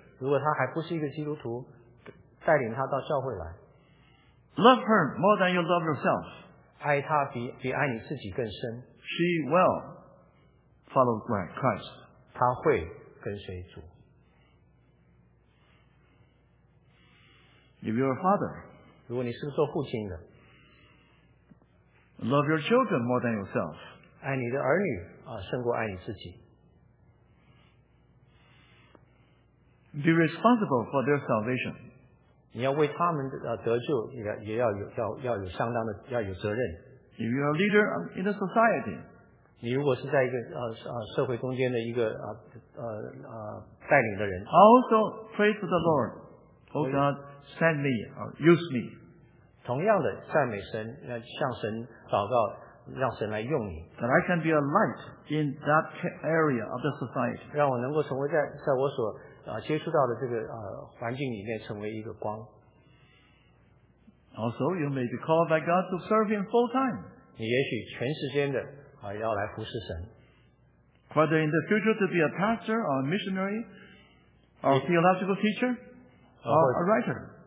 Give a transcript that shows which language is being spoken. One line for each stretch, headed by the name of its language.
Chinese: 如果她还不是一个基督徒，带领她到教会来。
English: Love her more than you love yourself.
Chinese: 爱她比爱你自己更深。
English: She will follow Christ.
Chinese: 她会跟随主。
English: If you're a father,
Chinese: 如果你是做父亲的
English: ，love your children more than yourself.
Chinese: 爱你的儿女胜过爱你自己。
English: Be responsible for their salvation.
Chinese: 你要为他们得救，也要 要有相当的要有责任。
English: If you are a leader in a society,
Chinese: 你如果是在一个社会中间的一个带领的人
English: ，also pray to the Lord, O God, send me or use me.
Chinese: 同样的赞美神，要向神祷告，让神来用你。
English: That I can be a light in that area of the society.
Chinese: 让我能够成为在我所接触到的这个环境里面成为一个光。
English: Also, you may be called by God to serve Him full time.
Chinese: 你也许全时间的要来服侍神。
English: Whether in the future to be a pastor or a missionary or a theological teacher or a writer.